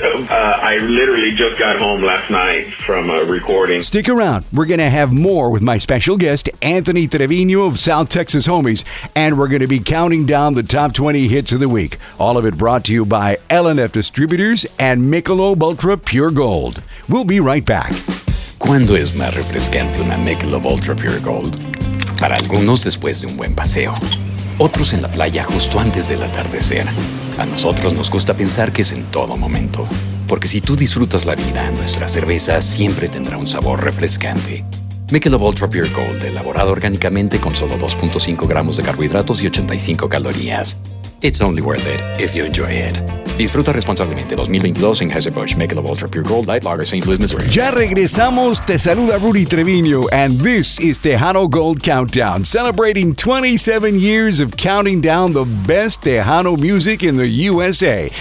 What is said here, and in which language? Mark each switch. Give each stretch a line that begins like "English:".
English: I literally just got home last night from a recording. Stick around. We're going to have more with my special guest, Anthony Treviño of South Texas Homies, and we're going to be counting down the top 20 hits of the week. All of it brought to you by L&F Distributors and Michelob Ultra Pure Gold. We'll be right back.
Spanish: ¿Cuándo es más refrescante una Michelob Ultra Pure Gold? Para algunos después de un buen paseo. Otros en la playa justo antes del atardecer. A nosotros nos gusta pensar que es en todo momento. Porque si tú disfrutas la vida, nuestra cerveza siempre tendrá un sabor refrescante. Michelob Ultra Pure Gold, elaborado orgánicamente con solo 2.5 gramos de carbohidratos y 85 calorías.
English: It's only worth it if you enjoy it.
Spanish: Disfruta responsablemente 2022 en Anheuser-Busch Michelob Ultra Pure Gold Light Lager St. Louis, Missouri. Ya regresamos. Te saluda Rudy Treviño.
English: And this is Tejano Gold Countdown, celebrating 27 years of counting down the best Tejano music in the USA.